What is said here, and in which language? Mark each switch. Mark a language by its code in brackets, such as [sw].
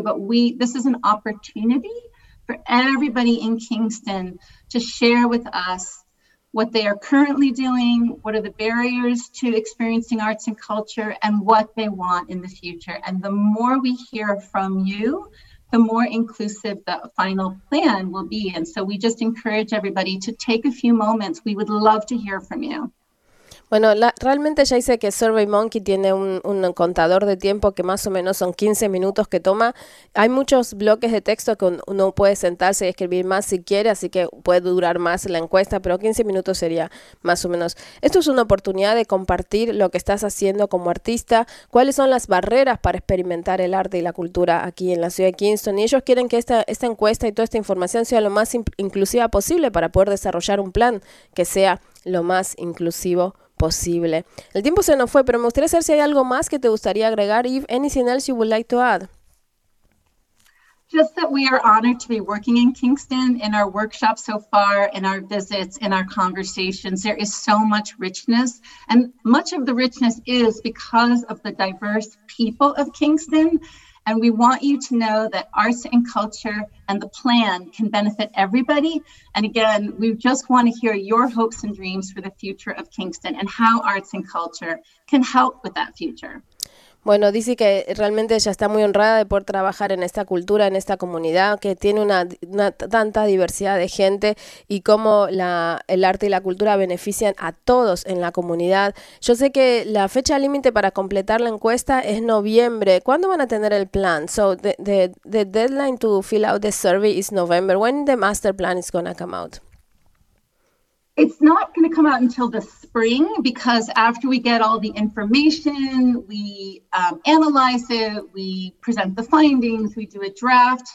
[en] But this is an opportunity for everybody in Kingston to share with us what they are currently doing, what are the barriers to experiencing arts and culture, and what they want in the future. And the more we hear from you, the more inclusive the final plan will be. And so we just encourage everybody to take a few moments. We would love to hear from you. [es] Bueno, realmente ya dice que SurveyMonkey tiene un contador de tiempo que más o menos son 15 minutos que toma. Hay muchos bloques de texto que uno puede sentarse y escribir más si quiere, así que puede durar más la encuesta, pero 15 minutos sería más o menos. Esto es una oportunidad de compartir lo que estás haciendo como artista, cuáles son las barreras para experimentar el arte y la cultura aquí en la ciudad de Kingston. Y ellos quieren que esta encuesta y toda esta información sea lo más inclusiva posible para poder desarrollar un plan que sea lo más inclusivo posible. El tiempo se nos fue, pero me gustaría saber si hay algo más que te gustaría agregar. [en] If anything else you would like to add? Just that we are honored to be working in Kingston, in our workshop so far, in our visits, in our conversations. There is so much richness, and much of the richness is because of the diverse people of Kingston. And we want you to know that arts and culture and the plan can benefit everybody. And again, we just want to hear your hopes and dreams for the future of Kingston and how arts and culture can help with that future. [es] Bueno, dice que realmente ella está muy honrada de poder trabajar en esta cultura, en esta comunidad, que tiene una tanta diversidad de gente y cómo el arte y la cultura benefician a todos en la comunidad. Yo sé que la fecha límite para completar la encuesta es noviembre. ¿Cuándo van a tener el plan? [en] So the deadline to fill out the survey is November. When the master plan is going to come out? It's not going to come out until the spring, because after we get all the information, we analyze it, we present the findings, we do a draft.